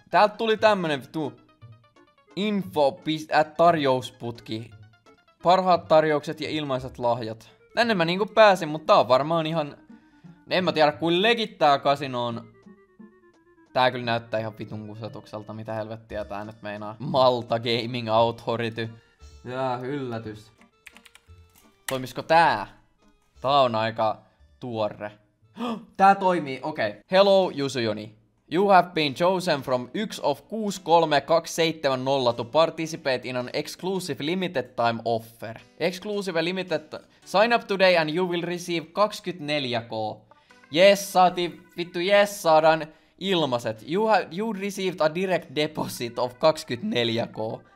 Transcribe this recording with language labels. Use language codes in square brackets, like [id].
[fi] Täältä tuli tämmönen vittu info@tarjousputki. Parhaat tarjoukset ja ilmaiset lahjat. Tänne mä niinku pääsin, mutta tää on varmaan ihan... En mä tiedä, kuin legit tää kasino on. Tää kyllä näyttää ihan vitun kusetukselta, mitä helvettiä tää nyt meinaa. [en] Malta Gaming Authority. [fi] Jää, yllätys. Toimisko tää? Tää on aika tuore. Tää toimii, okei. Okay. [en] Hello, Yusuyoni. You have been chosen from 1 of 63270 to participate in an exclusive limited time offer. Exclusive limited... Sign up today and you will receive 24K. [fi] Yes, saatiin, vittu yes, saadaan ilmaiset. [en] You received a direct deposit of 24K.